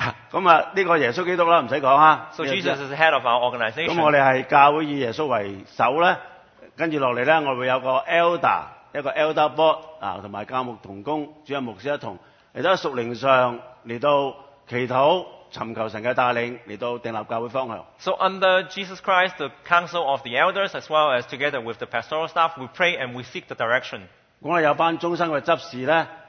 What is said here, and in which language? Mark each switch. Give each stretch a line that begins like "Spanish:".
Cantonese: 咁啊，呢個耶穌基督啦，唔使講啊。
English: So Jesus is the head of our organization.
Cantonese: 咁我哋係教會以耶穌為首咧，跟住落嚟咧，我會有個 elder， 一個 elder board 啊，同埋教牧同工、主任牧師一同嚟到屬靈上嚟到祈禱，尋求神嘅帶領嚟到定立教會方向。
English: So under Jesus Christ, the council of the elders, as well as together with the pastoral staff, we pray and we seek the direction.
Cantonese: 我哋有班中心嘅執事咧。